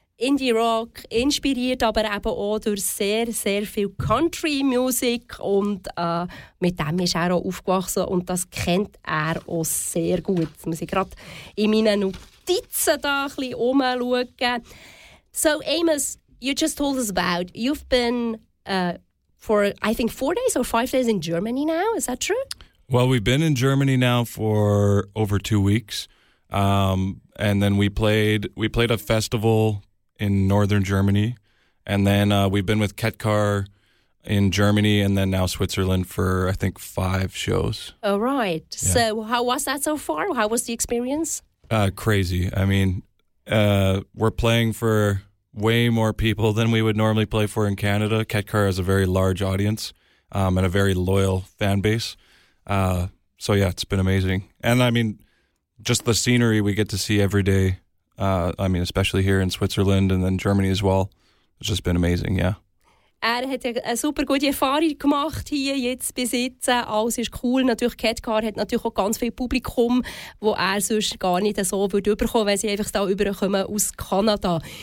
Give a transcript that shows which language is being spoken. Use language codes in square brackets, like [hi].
[de] Indie rock, inspiriert aber eben auch durch sehr, sehr viel Country Music. Und mit dem ist er auch aufgewachsen und das kennt er auch sehr gut. Jetzt muss ich gerade in meinen Notizen da ein bisschen umschauen. [en] So, Amos, you just told us about, you've been for, I think, 4 days or 5 days in Germany now, is that true? Well, we've been in Germany now for over 2 weeks. And then we played a festival in northern Germany, and then we've been with Ketkar in Germany and then now Switzerland for I think 5 shows. All right. Yeah. So how was that so far? How was the experience? Crazy. I mean, we're playing for way more people than we would normally play for in Canada. Ketkar has a very large audience and a very loyal fan base. So yeah, it's been amazing. And I mean, just the scenery we get to see every day. I mean, especially here in Switzerland and then Germany as well. It's just been amazing, yeah. [de] Er hat eine super gute Erfahrung gemacht hier jetzt bis jetzt. Alles ist cool. Natürlich, Ketkar hat natürlich auch ganz viel Publikum, wo er sonst gar nicht so würde überkommen, wenn sie einfach da überkommen aus Kanada.